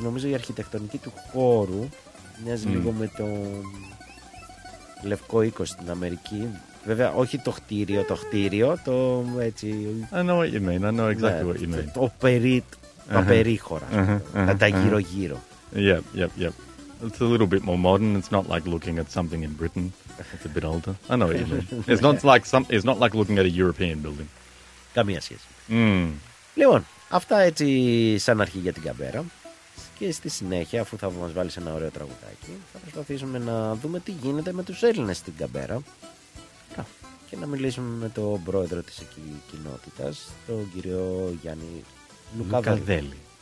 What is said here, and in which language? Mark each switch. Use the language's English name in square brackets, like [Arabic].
[Greek] Νομίζω η αρχιτεκτονική του χώρου μοιάζει λίγο με το Λευκό Οίκο στην Αμερική. Βέβαια, όχι το κτίριο, το έτσι... [English] I know what you mean. [Greek] Το περίχωρα, τα γύρω-γύρω. [English] Yep. It's a little bit more modern. It's not like looking at something in Britain. It's a bit older. I know what you mean. It's not like looking at a European building. [Greek] Καμία σχέση. Mm. Λοιπόν, αυτά έτσι σαν αρχή για την Καμπέρα. Και στη συνέχεια, αφού θα μας βάλεις ένα ωραίο τραγουδάκι, θα προσπαθήσουμε να δούμε τι γίνεται με τους Έλληνες στην Καμπέρα. Και να μιλήσουμε με τον πρόεδρο της κοινότητας, τον κύριο Γιάννη Λουκαδέλη.